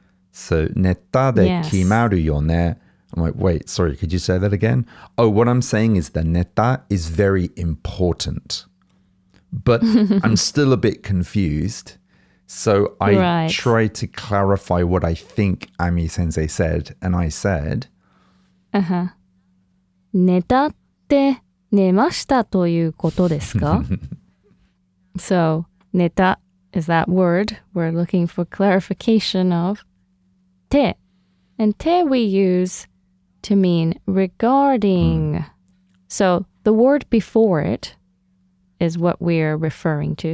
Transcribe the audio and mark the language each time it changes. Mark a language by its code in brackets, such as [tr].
[en] So [ja] neta de kimaru yo ne. [en] I'm like, wait, sorry, could you say that again? Oh, what I'm saying is the neta is very important. But I'm still a bit confused. So I try to clarify what I think Ami sensei said, and I said [ja] Neta. で、寝ましたということですか? [en] So, neta is that word we're looking for clarification of. Te. And te we use to mean regarding. So, the word before it is what we're referring to.